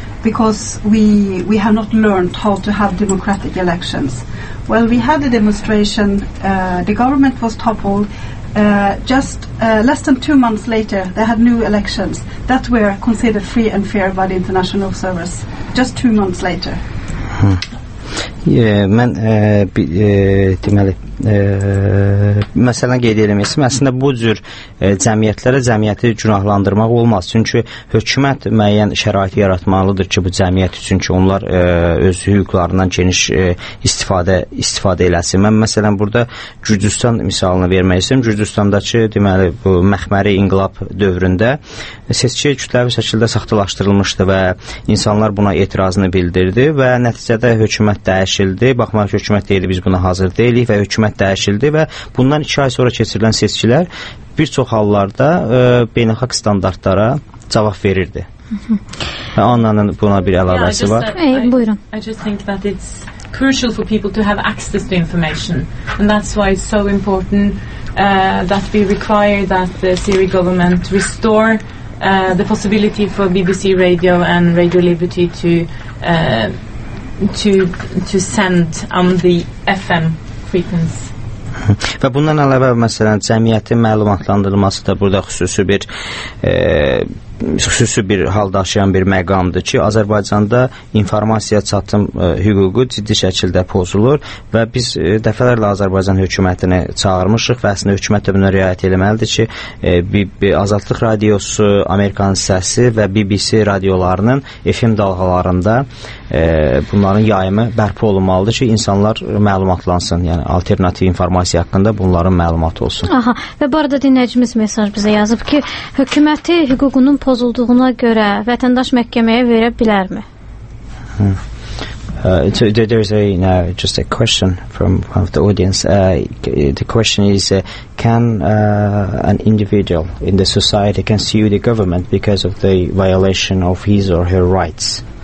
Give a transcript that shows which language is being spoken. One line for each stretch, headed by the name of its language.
English: because we have not learned how to have democratic elections. Well, we had a demonstration, the government was toppled, less than 2 months later, they had new elections that were considered free and fair by the international observers, just 2 months later.
Azerbaijani: Mən deməli məsələn qeyd edirəm, əslində bu cür cəmiyyətlərə cəmiyyəti günahlandırmaq olmaz, çünki hökumət müəyyən şərait yaratmalıdır ki, bu cəmiyyət üçün ki, onlar öz hüquqlarından geniş istifadə eləsin. Mən məsələn burada Gürcüstan misalını vermək istəyirəm. Gürcüstandakı deməli bu məxməri inqilab dövründə seçki kütləvi şəkildə saxtalaşdırılmışdı və insanlar buna etirazını bildirdi və nəticədə hökumət dəyişildi. Baxmayaraq hökumət deyildi, biz buna hazır deyilik və hökumət dəyişildi və bundan 2 ay sonra keçirilən seçkilər bir çox hallarda beynəlxalq standartlara cavab verirdi. Və Anna'nın buna bir əlavəsi var. Buyurun.
English: I just think that it's crucial for people to have access to information and that's why it's so important that we require that the Syrian government restore the possibility for BBC Radio and Radio Liberty to send on the FM frequency.
Azerbaijani: Və bundan əlavə, məsələn, cəmiyyətin məlumatlandırılması da burada xüsusi bir hal daşıyan bir məqamdır ki, Azərbaycanda informasiya çatım hüququ ciddi şəkildə pozulur və biz dəfələrlə Azərbaycan hökumətini çağırmışıq və əslində hökumət də buna riayət eləməlidir ki, Azadlıq Radiosu, Amerikanın Səsi və BBC radiolarının FM dalğalarında bunların yayımı bərpa olunmalıdır ki, insanlar məlumatlansın, yəni alternativ informasiya haqqında bunların məlumatı olsun. Aha, və bu arada dinləyicimiz mesaj bizə yazıb ki, hökuməti hüququnun pozulduğuna görə vətəndaş məhkəməyə verə bilərmi?
English: There is just a question from one of the audience. The question is, can an individual in the society can sue the government because of the violation of his or her rights?